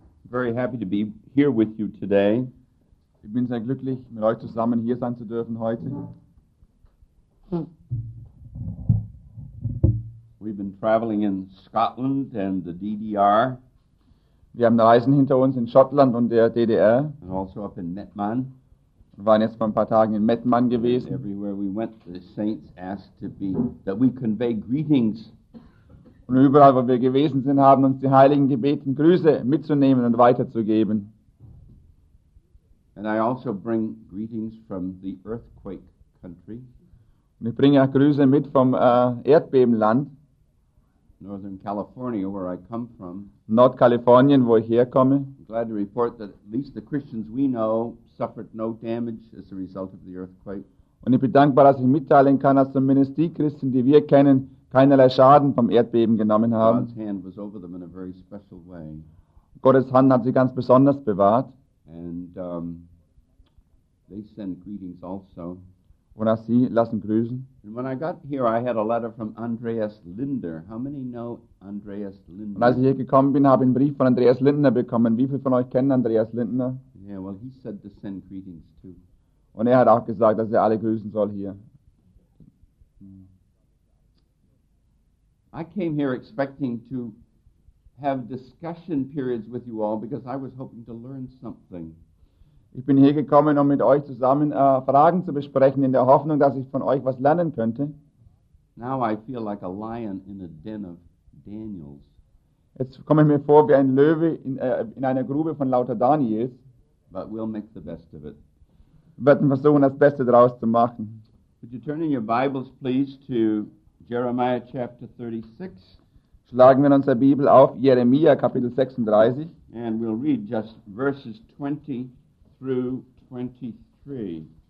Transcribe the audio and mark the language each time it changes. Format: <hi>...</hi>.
<en>Very happy to be here with you today.</en> <de>Ich bin sehr glücklich, mit euch zusammen hier sein zu dürfen heute.</de> <en>We've been traveling in Scotland and the DDR.</en> <de>Wir haben Reisen hinter uns in Schottland und der DDR.</de> <en>And also up in Mettmann.</en> <de>Wir waren jetzt vor ein paar Tagen in Mettmann gewesen.</de> <en>And everywhere we went, the saints asked to be that we convey greetings.</en> <de>Und überall, wo wir gewesen sind, haben uns die Heiligen gebeten, Grüße mitzunehmen und weiterzugeben.</de> <en>And I also bring greetings from the earthquake country.</en> <de>Und ich bringe auch Grüße mit vom Erdbebenland.</de> <en>Northern California, where I come from.</en> <de>Nordkalifornien, wo ich herkomme.</de> <en>I'm glad to report that at least the Christians we know suffered no damage as a result of the earthquake.</en> <de>Und ich bin dankbar, dass ich mitteilen kann, dass zumindest die Christen, die wir kennen, keinerlei Schaden vom Erdbeben genommen haben.</de> <en>God's hand was over them in a very special way.</en> <de>Gottes Hand hat sie ganz besonders bewahrt.</de> <en>And they send greetings also.</en> <de>Und auch sie lassen grüßen.</de> <en>And when I got here, I had a letter from Andreas Linder. How many know Andreas Linder?</en> <de>Und als ich hier gekommen bin, habe ich einen Brief von Andreas Linder bekommen. Wie viele von euch kennen Andreas Linder?</de> <en>Yeah, well, he said to send greetings too.</en> <de>Und hat auch gesagt, dass alle grüßen soll hier.</de> <en>I came here expecting to have discussion periods with you all because I was hoping to learn something.</en> <de>Ich bin hier gekommen, um mit euch zusammen Fragen zu besprechen, in der Hoffnung, dass ich von euch was lernen könnte.</de> <en>Now I feel like a lion in a den of Daniels.</en> <de>Jetzt komme ich mir vor wie ein Löwe in einer Grube von lauter Daniels.</de> <en>But we'll make the best of it.</en> <de>Wir werden versuchen, das Beste daraus zu machen.</de> <en>Would you turn in your Bibles, please, to Jeremiah chapter 36.</en> <de>Schlagen wir in unsere Bibel auf, Jeremia Kapitel 36.</de> <en>And we'll read just verses 20 through 23.</en>